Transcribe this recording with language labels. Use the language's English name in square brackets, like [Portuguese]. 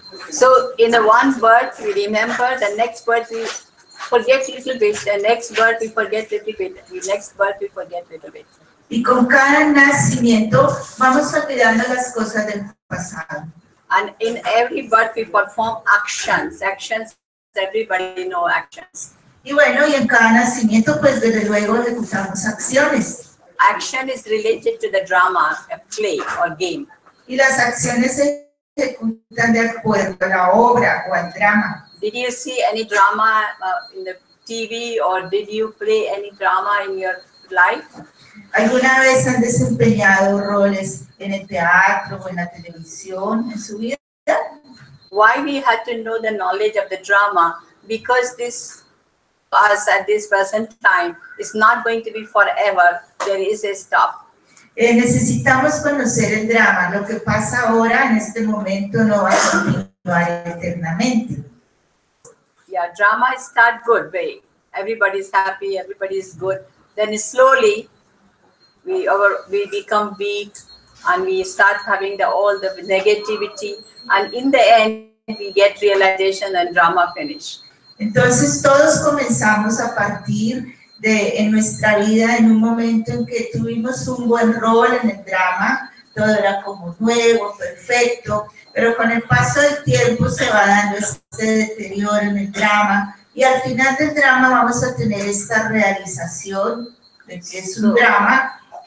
[English] So, in the one birth we remember, the next birth we forget a little bit, the next birth we forget a little bit, the next birth we forget a little bit. [Spanish] Y con cada nacimiento vamos olvidando las cosas del pasado. [English] And in every birth we perform actions. Actions, everybody know actions. [Spanish] Y bueno, y en cada nacimiento pues desde luego ejecutamos acciones. [English] Action is related to the drama, a play or game. [Spanish] Y las acciones se ejecutan de acuerdo a la obra o al drama. [English] Did you see any drama in the TV or did you play any drama in your life? [Spanish] ¿Alguna vez han desempeñado roles en el teatro o en la televisión en su vida? [English] Why we had to know the knowledge of the drama? Because this us at this present time is not going to be forever. There is a stop. [Spanish] Necesitamos conocer el drama. Lo que pasa ahora en este momento no va a continuar eternamente. [English] Yeah, drama is start good, babe. Everybody's happy, everybody's good. Then slowly we become weak and we start having all the negativity and in the end we get realization and drama finish. [Spanish] Entonces todos comenzamos a partir de en nuestra vida en un momento en que tuvimos un buen rol en el drama, todo era como nuevo, perfecto, pero con el paso del tiempo se va dando este deterioro en el drama y al final del drama vamos a tener esta realización de que es un drama.